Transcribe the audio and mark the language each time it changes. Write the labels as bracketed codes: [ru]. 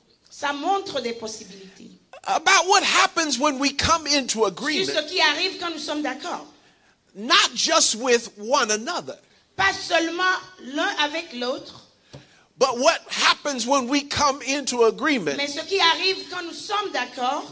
[fr] Ça montre des possibilités. [en] About what happens when we come into agreement. [fr] Ce qui arrive quand nous sommes d'accord. [en] Not just with one another. [fr] Pas seulement l'un avec l'autre. [en] But what happens when we come into agreement. [fr] Mais ce qui arrive quand nous sommes d'accord.